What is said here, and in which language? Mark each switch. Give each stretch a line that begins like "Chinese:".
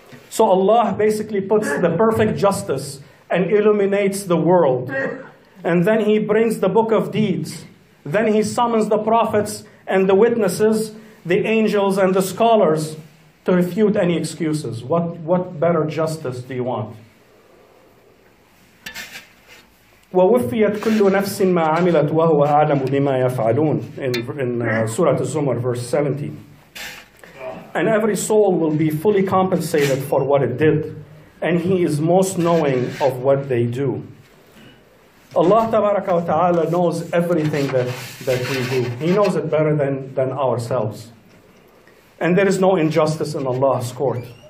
English: So Allah basically puts the perfect justice and illuminates the world. And then he brings the book of deeds. Then he summons the prophets and the witnesses, the angels and the scholars to refute any excuses. What better justice do you want?
Arabic: وَوُفِّيَتْ كُلُّ نَفْسٍ مَا عَمِلَتْ وَهُوَ أَعْلَمُ بِمَا يَفْعَلُونَ Surat Az-Zumar,
English: verse 17. And every soul will be fully compensated for what it did, and he is most knowing of what they do. Allah tabaraka wa ta'ala knows everything that we do. He knows it better than ourselves. And there is no injustice in Allah's court.